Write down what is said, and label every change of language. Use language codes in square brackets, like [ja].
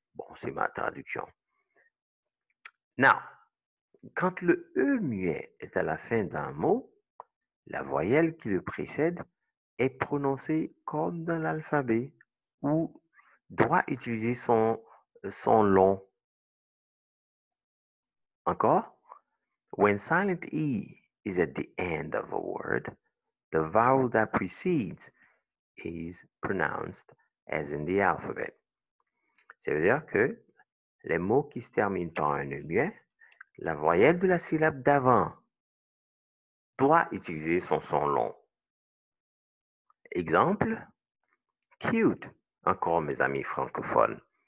[fr] Bon, c'est ma traduction. Now, quand le E muet est à la fin d'un mot, la voyelle qui le précède est prononcée comme dans l'alphabet ou doit utiliser son long. Encore? [en] When silent E is at the end of a word, the vowel that precedes is pronounced as in the alphabet. [fr] Ça veut dire que les mots qui se terminent par un E muet, la voyelle de la syllabe d'avant doit utiliser son long. Exemple, cute, encore mes amis francophones.